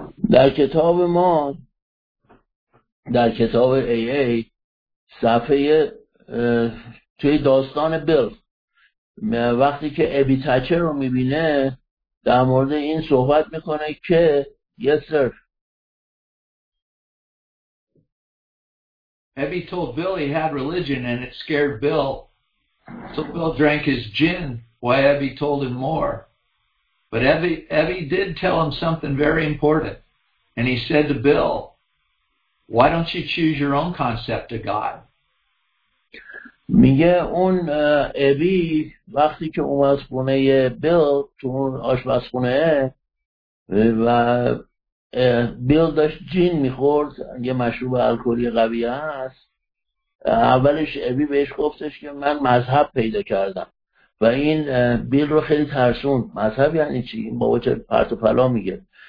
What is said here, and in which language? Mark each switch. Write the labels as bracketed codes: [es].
[fa] در کتاب ما، در کتاب AA، صفحه توی داستان بیل وقتی که ابی تچر رو میبینه در مورد این صحبت میکنه که [en] Yes, sir. Abby told Bill he had religion and it scared Bill. So Bill drank his gin while Abby told him more. But Abby did tell him something very important. And he said to Bill, why don't you choose your own concept of God? [fa] میگه اون ابی وقتی که اومد خونه بیل تو اون آشپزخونه و بیل داشت جین میخورد، یه مشروب الکلی قوی هست، اولش ابی بهش گفتش که من مذهب پیدا کردم و این بیل رو خیلی ترسون، مذهب یعنی چی؟ این بابا چه پرت و پلا میگه.